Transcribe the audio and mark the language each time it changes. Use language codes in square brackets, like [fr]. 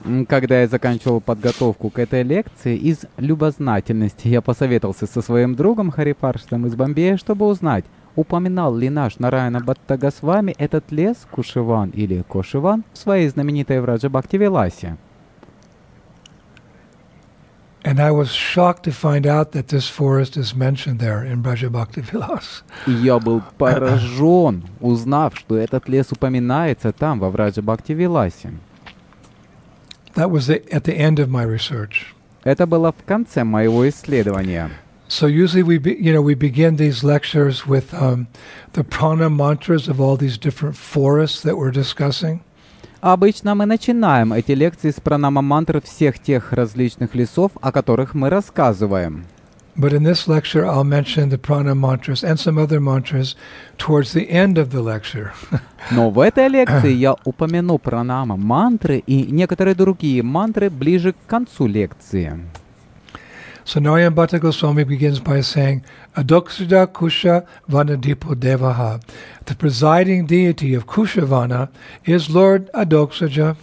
[ru] Когда я заканчивал подготовку к этой лекции, из любознательности я посоветовался со своим другом Хари Паршитом из Бомбея, чтобы узнать, упоминал ли наш Нараяна Бхатта Госвами этот лес, Кушиван или Кошиван, в своей знаменитой Враджа Бхакти Виласе. [en] And I was shocked to find out that this forest is mentioned there in Braja Bhakti Vilas. [ru] Я был поражен, узнав, что этот лес упоминается там во Враджа Бхакти Виласе. [en] That was at the end of my research. [ru] Это было в конце моего исследования. [en] So usually we begin these lectures with the prana mantras of all these different forests that we're discussing. [ru] Обычно мы начинаем эти лекции с пранама-мантр всех тех различных лесов, о которых мы рассказываем. [en] But in this lecture I'll mention the prana mantras and some other mantras towards the end of the lecture. [ru] Но в этой лекции я упомяну пранама-мантры и некоторые другие мантры ближе к концу лекции. [en] So Narayan Bhatta Goswami begins by saying, [sa] Adoksida Kusha Vanadipo Devaha. [en] The presiding deity of Kushavana is Lord Adoksija.